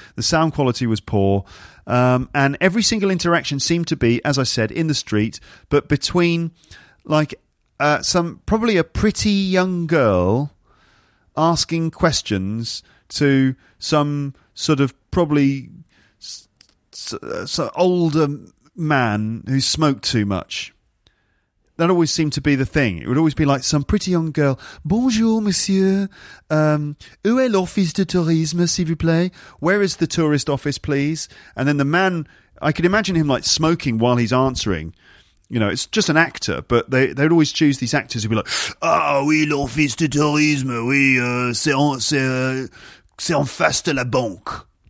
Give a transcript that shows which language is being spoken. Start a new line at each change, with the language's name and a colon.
English: The sound quality was poor, and every single interaction seemed to be, as I said, in the street, but between, like, probably a pretty young girl asking questions to some sort of probably older man who smoked too much. That always seemed to be the thing. It would always be like some pretty young girl.
French: Bonjour, monsieur. Où est l'office de tourisme, s'il vous plaît?
English: Where is the tourist office, please? And then the man, I could imagine him like smoking while he's answering. You know, it's just an actor, but they would always choose these actors who'd be like,
French: ah, oh, oui, l'office de tourisme, oui, c'est en face de la banque.